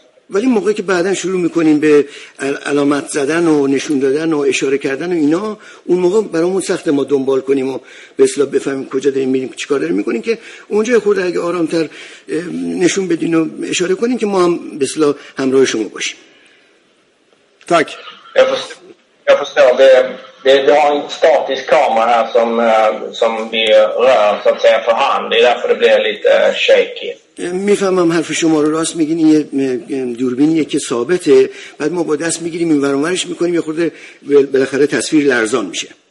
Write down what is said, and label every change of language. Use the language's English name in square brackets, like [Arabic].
[Persian] ولی موقعی که بعدن شروع میکنیم به علامت زدن و نشون دادن و اشاره کردن و اینا، اون موقع برامون سخت ما دنبال کنیم و به اصطلاح بفهمیم کجا داریم میریم چیکار داریم میکنیم، که اونجا خورده اگه آرامتر نشون بدین و اشاره کنیم که ما هم به اصطلاح همراه شما باشیم. [Swedish] Tack. Jag förstår. Vi har en statisk kamera här som vi rör så att säga för hand. Det är därför det blir lite shaky. [Persian] میفهمم حرف شما رو راست میگین، این یه دوربینیه که ثابته، بعد ما با دست میگیریم این ور اونورش میکنیم، یه خورده بالاخره تصویر لرزان میشه.